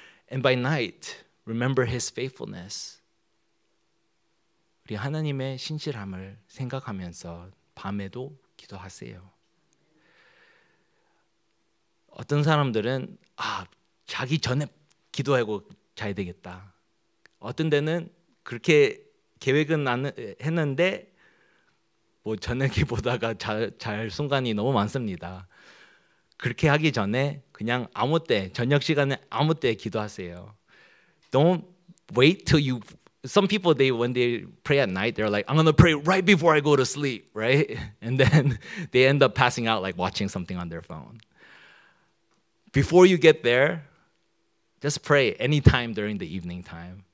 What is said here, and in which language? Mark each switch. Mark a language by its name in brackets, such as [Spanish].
[English] And by night, remember His faithfulness. [Korean] 우리 하나님의 신실함을 생각하면서 밤에도 기도하세요. 어떤 사람들은, 아, 자기 전에 기도하고 자야 되겠다. 어떤 데는 그렇게 계획은 했는데 뭐 저녁에 보다가 잘 순간이 너무 많습니다. 그렇게 하기 전에 그냥 아무 때, 저녁 시간에 아무 때 기도하세요. [English] Don't wait till you... Some people, when they pray at night, they're like, I'm going to pray right before I go to sleep, right? And then they end up passing out like watching something on their phone. Before you get there, just pray anytime during the evening time.